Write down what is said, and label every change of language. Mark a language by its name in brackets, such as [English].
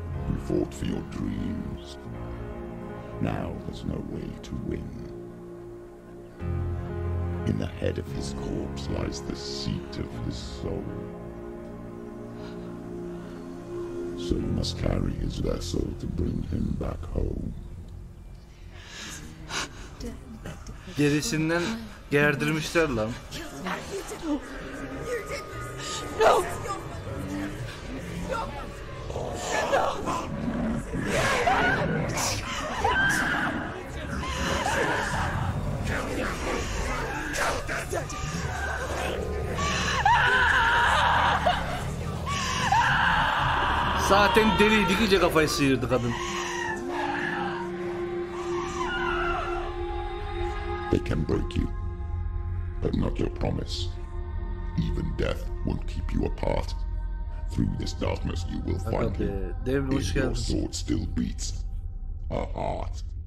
[English] You fought for your dreams. Now there's no way to win. In the head of his corpse lies the seat of his soul. So you must carry his vessel to bring him back home. [Turkish] Gerisinden gerdirmişler lan. [English] No! [Turkish] Zaten deliydi ki kafayı sıyırdı kadın. [English] They can break you, but not your promise. Even death won't keep you apart. Through this darkness you will find him. If your sword still beats, a heart.